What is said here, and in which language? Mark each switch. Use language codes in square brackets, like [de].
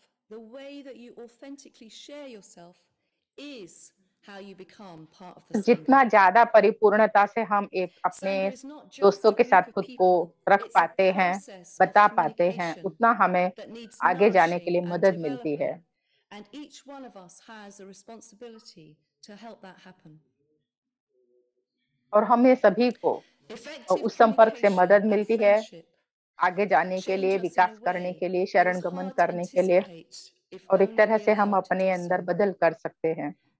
[en] The way that you authentically share yourself is how you become part of the Sangha. [hi] जितना ज्यादा परिपूर्णता से हम एक अपने दोस्तों के साथ खुद को रख पाते हैं, बता पाते हैं, उतना हमें आगे जाने के लिए मदद मिलती है. [en] And each one of us has a responsibility to help that happen. [hi] और हमें सभी को उस संपर्क से मदद मिलती है आगे जाने के लिए, विकास करने के लिए, शरण गमन करने के लिए. और एक तरह से हम अपने अंदर बदल कर सकते हैं.